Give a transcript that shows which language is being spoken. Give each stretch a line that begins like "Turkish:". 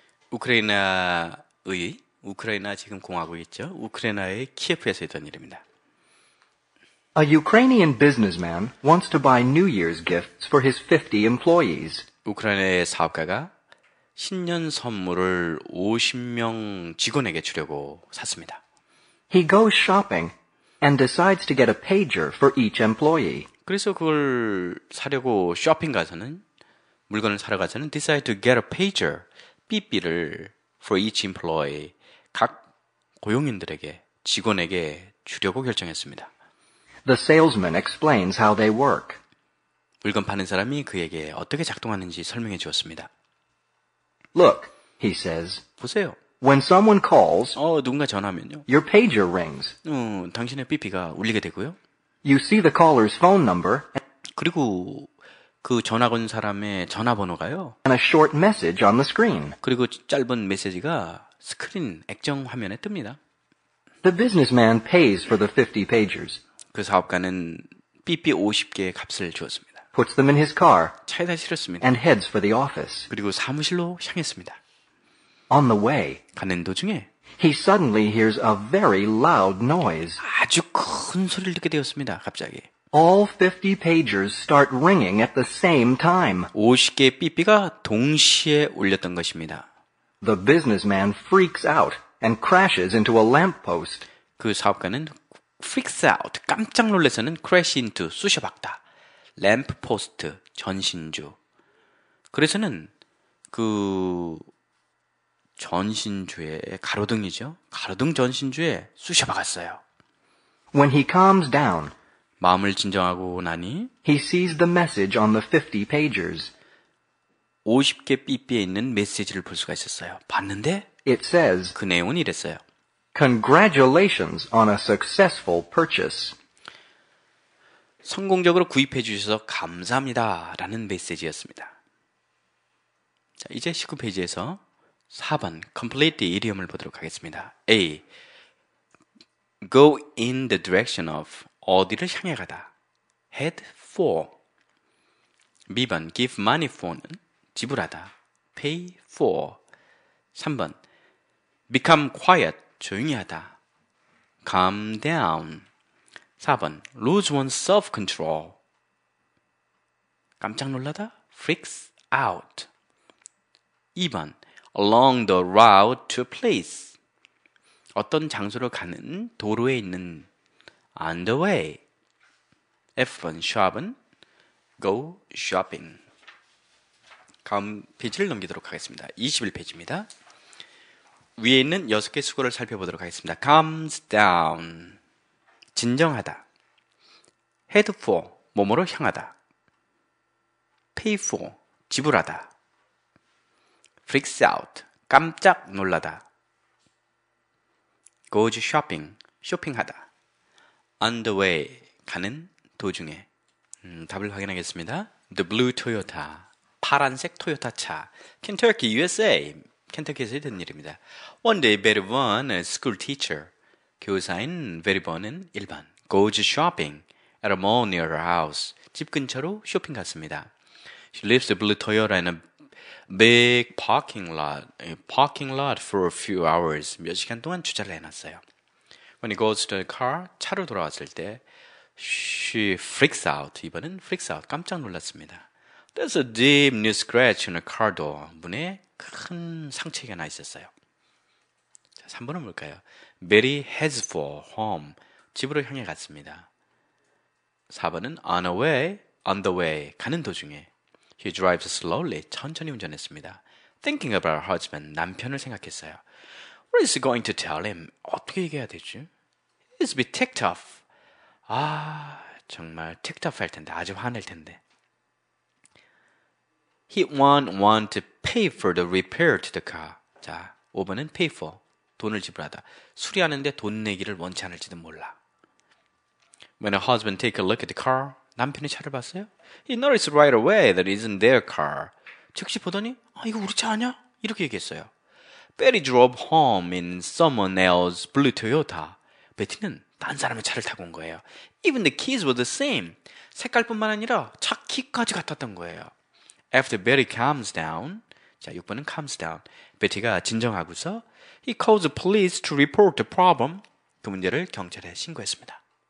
Korean: 우크라이나의, 우크라이나 지금 공화국이죠. 우크라이나의 키예프에서 했던 일입니다.
English: A Ukrainian businessman wants to buy New Year's gifts for his 50 employees.
Korean: 우크라이나의 사업가가 신년 선물을 50명 직원에게 주려고 샀습니다.
English: He goes shopping and decides to get a pager for each employee.
Korean: 그래서 그걸 사려고 쇼핑 가서는, 물건을 사러 가서는
English: decide to get a pager.
Korean: 삐삐를
English: for each employee,
Korean: 각 고용인들에게, 직원에게 주려고 결정했습니다.
English: The salesman explains how they work.
Korean: 물건 파는 사람이 그에게 어떻게 작동하는지 설명해 주었습니다.
English: Look, he says.
Korean: 보세요.
English: When someone calls,
Korean: 누군가 전화하면요.
English: Your pager rings.
Korean: 당신의 삐삐가 울리게 되고요.
English: You see the caller's phone number.
Korean: 그리고 그 전화 건 사람의 전화번호가요.
English: And a short message on the screen.
Korean: 그리고 짧은 메시지가 스크린 액정 화면에 뜹니다.
English: The businessman pays for the 50 pagers.
Korean: 그 사업가는 삐삐 50개의 값을 주었습니다.
English: Puts them in his car.
Korean: 차에다 실었습니다.
English: And heads for the office.
Korean: 그리고 사무실로 향했습니다.
English: On the way.
Korean: 가는 도중에.
English: He suddenly hears a very loud noise.
Korean: 아주 큰 소리를 듣게 되었습니다. 갑자기.
English: All 50 pagers start ringing at the same time.
Korean: 50개의 삐삐가 동시에 울렸던 것입니다.
English: The businessman freaks out and crashes into a lamppost.
Korean: 그 사업가는
English: freaks out,
Korean: 깜짝 놀라서는
English: crash into,
Korean: 쑤셔박다. lamppost, 전신주. 그래서는 그 전신주의 가로등이죠. 가로등 전신주에 쑤셔박았어요.
English: When he calms down,
Korean: 마음을 진정하고 나니
English: he sees the message on the 50 pagers.
Korean: 50개 삐삐에 있는 메시지를 볼 수가 있었어요. 봤는데
English: it says
Korean: 그 내용은 이랬어요.
English: Congratulations on a successful purchase.
Korean: 성공적으로 구입해 주셔서 감사합니다라는 메시지였습니다. 자, 이제 19페이지에서 4번 complete 이디엄을 보도록 하겠습니다.
English: A. Go in the direction of
Korean: 어디를 향해 가다.
English: Head for. B번, give money for는
Korean: 지불하다.
English: Pay for.
Korean: 3번,
English: become quiet,
Korean: 조용히 하다.
English: Calm down. 4번, lose one's self-control.
Korean: 깜짝 놀라다.
English: Freaks out. 2번, along the route to a place.
Korean: 어떤 장소로 가는 도로에 있는
English: On the way. F번 shop은 go shopping.
Korean: 다음 페이지를 넘기도록 하겠습니다. 21페이지입니다. 위에 있는 6개 수거를 살펴보도록 하겠습니다.
English: Calms down.
Korean: 진정하다.
English: Head for.
Korean: 뭐뭐로 향하다.
English: Pay for.
Korean: 지불하다.
English: Freaks out.
Korean: 깜짝 놀라다.
English: Goes shopping.
Korean: 쇼핑하다.
English: On the way,
Korean: 가는 도중에. 답을 확인하겠습니다.
English: The blue Toyota,
Korean: 파란색 토요타 차. Kentucky, USA, 켄터키에서 된 일입니다.
English: One day, very one, a school teacher.
Korean: 교사인 very one은 1번.
English: Goes shopping at a mall near her house.
Korean: 집 근처로 쇼핑 갔습니다.
English: She leaves the blue Toyota in a big parking lot for a few hours.
Korean: 몇 시간 동안 주차를 해놨어요.
English: When he goes to the car,
Korean: 차로 돌아왔을 때,
English: she freaks out. 이번엔 freaks out.
Korean: 깜짝 놀랐습니다.
English: There's a deep new scratch on the car door.
Korean: 문에 큰 상처가 나 있었어요. 자, 3번은 뭘까요?
English: Mary heads for home.
Korean: 집으로 향해 갔습니다.
English: 4번은 on a way, on the way.
Korean: 가는 도중에.
English: He drives slowly.
Korean: 천천히 운전했습니다.
English: Thinking about her husband.
Korean: 남편을 생각했어요.
English: What is he going to tell him?
Korean: 어떻게 얘기해야 되지?
English: He's a bit ticked off.
Korean: 아, 정말
English: ticked off
Korean: 할 텐데. 아주 화낼 텐데.
English: He won't want to pay for the repair to the car.
Korean: 자, 5번은
English: pay for.
Korean: 돈을 지불하다. 수리하는데 돈 내기를 원치 않을지도 몰라.
English: When her husband take a look at the car,
Korean: 남편이 차를 봤어요?
English: He noticed right away that it isn't their car.
Korean: 즉시 보더니, 아, 이거 우리 차 아니야? 이렇게 얘기했어요.
English: Betty drove home in someone else's blue Toyota.
Korean: 베티는 다른 사람의 차를 타고 온 거예요.
English: Even the keys were the same.
Korean: 색깔뿐만 아니라 차 키까지 같았던 거예요.
English: After Betty calms down,
Korean: 자, 6번은
English: calms down.
Korean: Betty가 진정하고서
English: he calls the police to report the problem.
Korean: 그 문제를 경찰에 신고했습니다.